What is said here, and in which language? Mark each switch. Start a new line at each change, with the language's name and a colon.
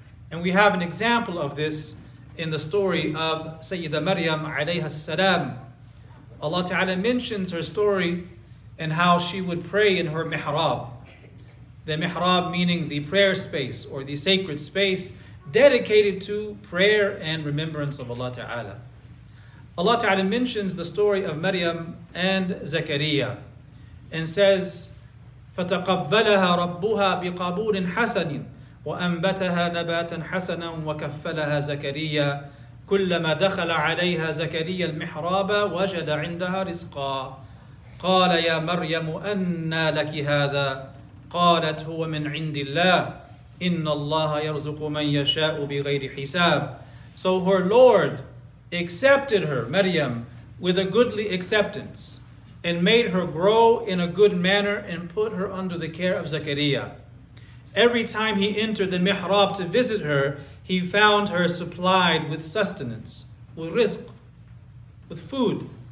English: And we have an example of this in the story of Sayyida Maryam alayha salam. Allah Ta'ala mentions her story and how she would pray in her mihrab. The mihrab meaning the prayer space or the sacred space dedicated to prayer and remembrance of Allah Ta'ala. Allah Ta'ala mentions the story of Maryam and Zakariya and says,
Arabic: فَتَقَبَّلَهَا رَبُّهَا بِقَبُولٍ حَسَنٍ وَأَنْبَتَهَا نَبَاتًا حَسَنًا وَكَفَّلَهَا زَكَرِيَّا كُلَّمَا دَخَلَ عَلَيْهَا زَكَرِيَّا الْمِحْرَابَ وَجَدَ عِنْدَهَا رِزْقًا قَالَ يَا مَرْيَمُ أَنَّا لَكِ هَذَا قَالَتْ هُوَ مِنْ عِنْدِ اللَّهِ إِنَّ اللَّهَ يَرْزُقُ مَنْ يَشَاءُ بِغَيْرِ حِسَابٍ.
English: So her Lord accepted her, Maryam, with a goodly acceptance and made her grow in a good manner and put her under the care of Zakariya. Every time he entered the mihrab to visit her, he found her supplied with sustenance, with rizq, with food.